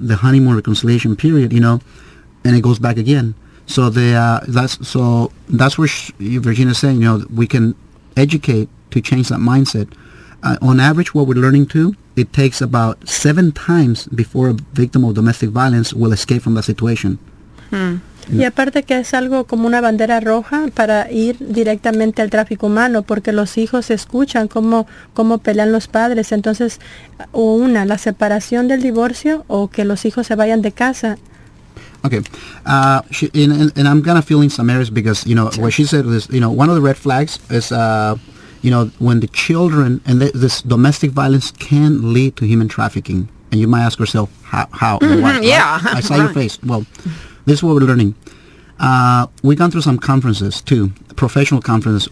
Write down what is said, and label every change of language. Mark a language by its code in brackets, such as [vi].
[en] The honeymoon reconciliation period, you know, and it goes back again. So that's where Virginia's saying, you know, we can educate to change that mindset. On average, what we're learning to, it takes about 7 times before a victim of domestic violence will escape from that situation. [es] Y aparte que es algo como una bandera roja para ir directamente al tráfico humano, porque los hijos escuchan cómo pelean los padres. Entonces, o una, la separación del divorcio, o que los hijos se vayan de casa. [en] Okay, and I'm kind of feeling some errors because, you know, what she said is, you know, one of the red flags is... you know, when the children, and this domestic violence can lead to human trafficking. And you might ask yourself, how? Mm-hmm, why? Yeah. I saw your face. Well, this is what we're learning. We've gone through some conferences, too, professional conferences.